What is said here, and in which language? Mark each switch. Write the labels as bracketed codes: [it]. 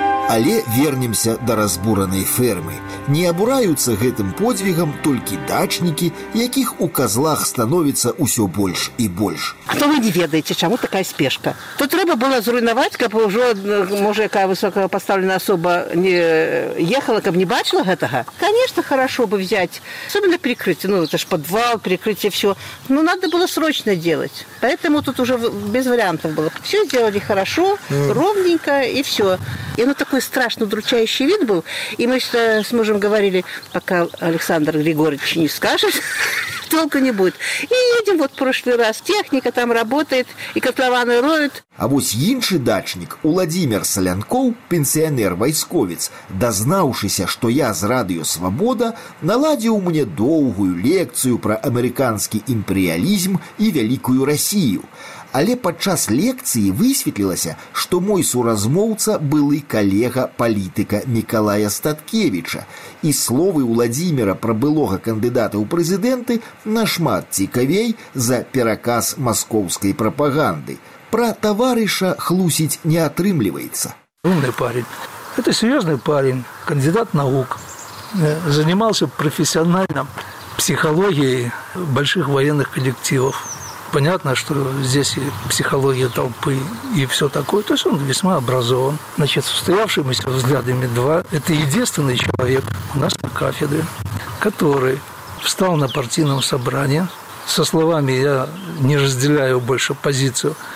[be] Але вернемся до разбуранай фермы. Не абураюцца гэтым подзвігам толькі дачнікі, якіх у казлах становіцца ўсё больш і больш. То вы не ведаеце, чаму такая спешка? То трэба было зруйнаваць, каб ўжо, можа, якая высокая пастаўлена асоба не ехала, каб не бачыла гэтага. Канешне, [ru] хорошо бы [be] взяць, асобна перекрыць, ну гэта ж падвал, перекрыць всё. [ru] Ну надо было срочна делаць. Поэтому тут уже без варіантаў было. Всё сделали хорошо, ровненько і всё. И ну такой страшно удручающий вид был. И мы с мужем говорили, пока Александр Григорьевич не скажет, толку не будет. И едем вот в прошлый раз. Техника там работает, и котлованы роют. А вот інший дачник, Владимир Солянков, пенсионер-войсковец, дознавшийся, что я с Радио Свобода, наладил мне долгую лекцию про американский империализм и Великую Россию. [be] Але падчас лекцыі высветлілася, што мой суразмоўца былы калега палітыка Мікалая Статкевіча. І словы Уладзіміра пра былога кандыдата ў прэзідэнты нашмат цікавей за пераказ маскоўскай прапаганды. Пра таварыша хлусіць не атрымліваецца. [ru] Умны парень. [be] Гэта сур'ёзны парень, кандыдат навук. Занімаўся прафесіянальна псіхалогіяй большых ваенных калектывов. [ru] Понятно, что здесь и психология толпы, и все такое. То есть он весьма образован. Значит, с устоявшимися взглядами два. Это единственный человек у нас на кафедре, который встал на партийном собрании со словами «я не разделяю больше позицию».